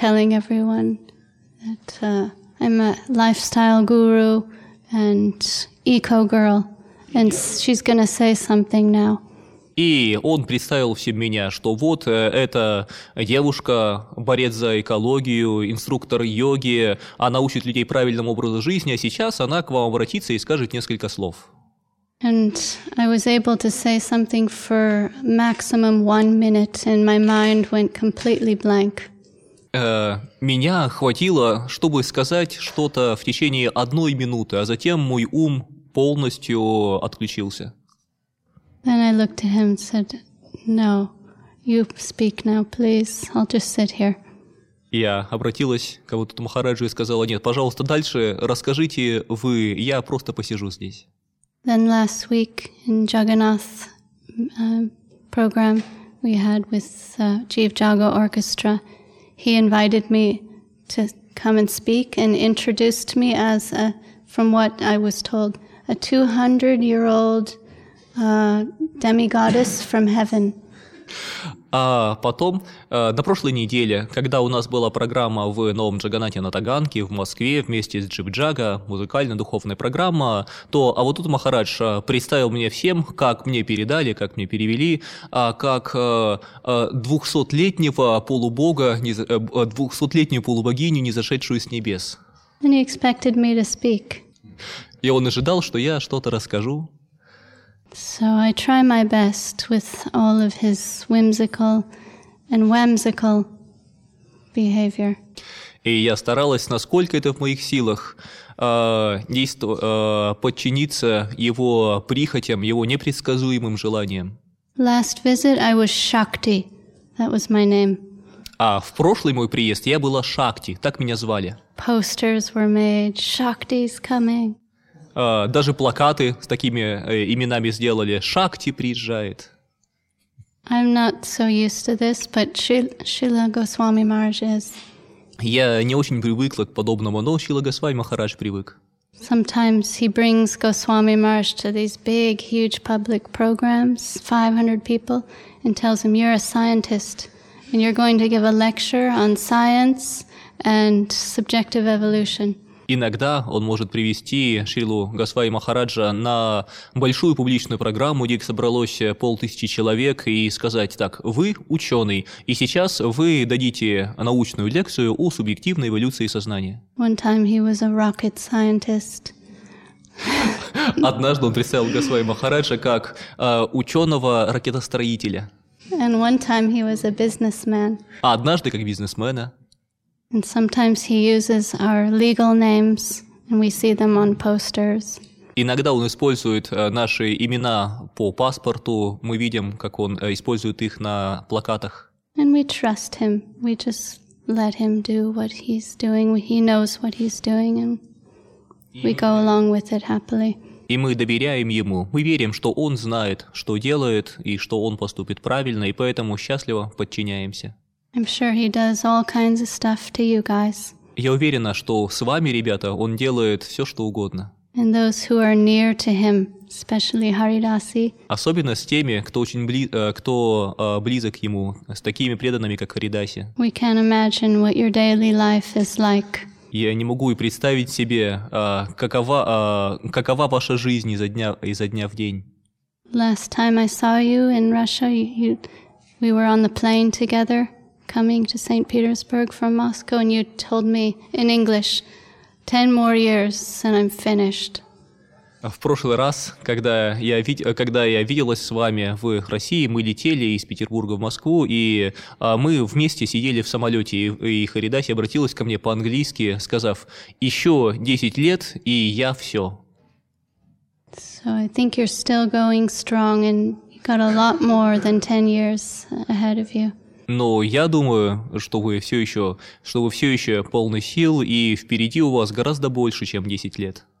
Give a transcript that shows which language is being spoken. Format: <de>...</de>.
<en>That I'm a lifestyle guru and eco girl, and she's gonna say something now.</en> <ru>И он представил всем меня, что вот эта девушка, борец за экологию, инструктор йоги, она учит людей правильному образу жизни, а сейчас она к вам обратится и скажет несколько слов.</ru> <en>And I was able to say something for maximum 1 minute, and my mind went completely blank.</en> <ru>Меня хватило, чтобы сказать что-то в течение 1 минуты, а затем мой ум полностью отключился.</ru> <en>Then I looked at him and said, "No, you speak now, please. I'll just sit here."</en> <ru>Я обратилась к Аводут Махараджу и сказала: "Нет, пожалуйста, дальше расскажите вы, я просто посижу здесь".</ru> <en>Then last week in Jagannath program we had with Chief Jaga Orchestra, he invited me to come and speak and introduced me as a, from what I was told, a 200-year-old demigoddess from heaven.</en> <ru>А потом, на прошлой неделе, когда у нас была программа в Новом Джаганате на Таганке, в Москве, вместе с Джип Джага, музыкально-духовная программа, то Аводут Махарадж представил мне всем, как мне передали, как мне перевели, как 200-летнего полубога, 200-летнюю полубогиню, не зашедшую с небес.</ru> <en>And he expected me to speak.</en> <ru>И он ожидал, что я что-то расскажу.</ru> <en>So I try my best with all of his whimsical and whimsical behavior.</en> <ru>И я старалась, насколько это в моих силах, подчиниться его прихотям, его непредсказуемым желаниям.</ru> <en>Last visit I was Shakti. That was my name.</en> <ru>А в прошлый мой приезд я была Шакти, так меня звали.</ru> <en>Posters were made. Shakti's coming.</en> <ru>Даже плакаты с такими именами сделали. Шакти приезжает.</ru> <en>I'm not so used to this, but Шрила Госвами Махарадж is.</en> <ru>Я не очень привыкла к подобному, но Шрила Госвами Махарадж привык.</ru> <en>Sometimes he brings Госвами Махарадж to these big, huge public programs, 500 people, and tells him, "You're a scientist, and you're going to give a lecture on science and subjective evolution."</en> <ru>иногда он может привести Шрилу Госвами Махараджа на большую публичную программу, где собралось 500 человек, и сказать: так, вы ученый, и сейчас вы дадите научную лекцию о субъективной эволюции сознания.</ru> <en>One time he was a rocket scientist.</en> <ru>Однажды он представил Госвами Махараджа как ученого-ракетостроителя.</ru> <en>And one time he was a businessman.</en> <ru>А однажды как бизнесмена.</ru> <en>And sometimes he uses our legal names, and we see them on posters.</en> <ru>Иногда он использует наши имена по паспорту. Мы видим, как он использует их на плакатах.</ru> <en>And we trust him. We just let him do what he's doing. He knows what he's doing, and we go along with it happily.</en> <ru>И мы доверяем ему. Мы верим, что он знает, что делает, и что он поступит правильно, и поэтому счастливо подчиняемся.</ru> <en>I'm sure he does all kinds of stuff to you guys.</en> <ru>Я уверена, что с вами, ребята, он делает все, что угодно.</ru> <en>And those who are near to him, especially Haridasi.</en> <ru>Особенно с теми, кто близок к ему, с такими преданными, как Харидаси.</ru> <en>We can't imagine what your daily life is like.</en> <ru>Я не могу и представить себе, какова ваша жизнь изо дня в день.</ru> <en>Last time I saw you in Russia, we were on the plane together. Coming to St. Petersburg from Moscow, and you told me in English, 10 more years, and I'm finished.</en> <ru>В прошлый раз, когда я виделась с вами в России, мы летели из Петербурга в Москву, и мы вместе сидели в самолете, и Харидаси обратилась ко мне по-английски, сказав: еще 10 лет, и я все.</ru> <en>So I think you're still going strong, and you got a lot more than 10 years ahead of you.</en> <ru>Но я думаю, что вы все еще полны сил, и впереди у вас гораздо больше, чем 10 лет.</ru>